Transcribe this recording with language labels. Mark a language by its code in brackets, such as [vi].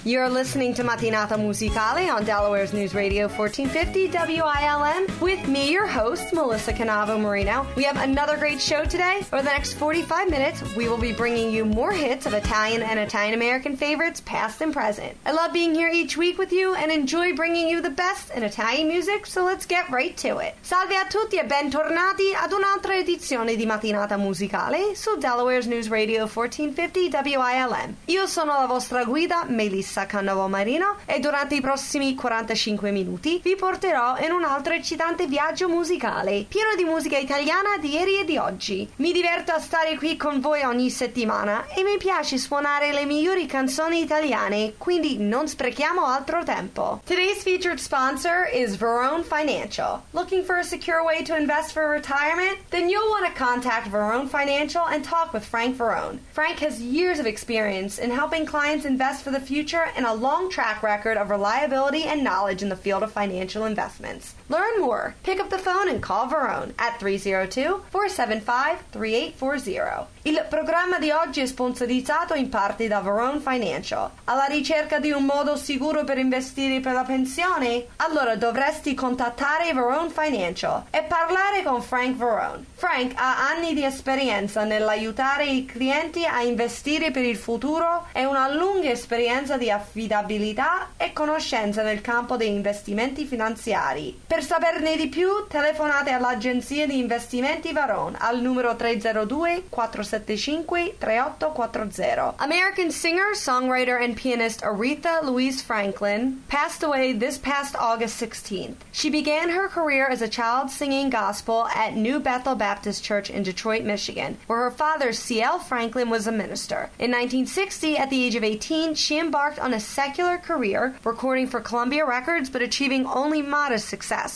[en] You're listening to Mattinata Musicale on Delaware's News Radio 1450 WILM with me, your host, Melissa Canavo Marino. We have another great show today. Over the next 45 minutes, we will be bringing you more hits of Italian and Italian-American favorites, past and present. I love being here each week with you and enjoy bringing you the best in Italian music, so let's get right to it. [it] Salve a tutti e bentornati ad un'altra edizione di Mattinata Musicale su Delaware's News Radio 1450 WILM. Io sono la vostra guida, Melissa Cannavo Marino, e durante I prossimi 45 minuti vi porterò in un altro eccitante viaggio musicale, pieno di musica italiana di ieri e di oggi. Mi diverto a stare qui con voi ogni settimana e mi piace suonare le migliori canzoni italiane, quindi non sprechiamo altro tempo. [en] Today's featured sponsor is Verone Financial. Looking for a secure way to invest for retirement? Then you'll want to contact Verone Financial and talk with Frank Verone. Frank has years of experience in helping clients invest for the future and a long track record of reliability and knowledge in the field of financial investments. Learn more. Pick up the phone and call Verone at 302-475-3840. [it] Il programma di oggi è sponsorizzato in parte da Verone Financial. Alla ricerca di un modo sicuro per investire per la pensione? Allora dovresti contattare Verone Financial e parlare con Frank Verone. Frank ha anni di esperienza nell'aiutare I clienti a investire per il futuro e una lunga esperienza di affidabilità e conoscenza nel campo degli investimenti finanziari. Per saperne di più, telefonate all'agenzia di investimenti Verone al numero 302-475-3840. [en] American singer, songwriter, and pianist Aretha Louise Franklin passed away this past August 16th. She began her career as a child singing gospel at New Bethel Baptist Church in Detroit, Michigan, where her father, C.L. Franklin, was a minister. In 1960, at the age of 18, she embarked on a secular career, recording for Columbia Records, but achieving only modest success.